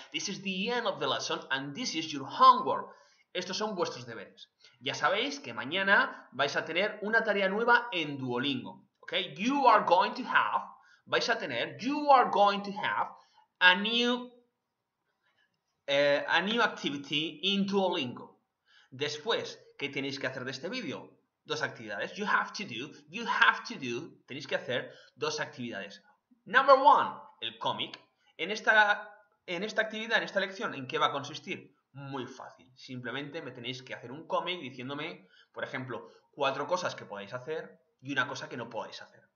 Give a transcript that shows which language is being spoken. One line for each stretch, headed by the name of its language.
English: This is the end of the lesson and this is your homework.
Spanish: Estos son vuestros deberes. Ya sabéis que mañana vais a tener una tarea nueva en Duolingo. ¿Ok?
English: You are going to have,
Spanish: vais a tener,
English: you are going to have a new activity in Duolingo.
Spanish: Después, ¿qué tenéis que hacer de este vídeo? Dos actividades.
English: You have to do,
Spanish: tenéis que hacer dos actividades.
English: Number one,
Spanish: el cómic. En esta actividad, en esta lección, ¿en qué va a consistir? Muy fácil. Simplemente me tenéis que hacer un cómic diciéndome, por ejemplo, cuatro cosas que podéis hacer y una cosa que no podéis hacer.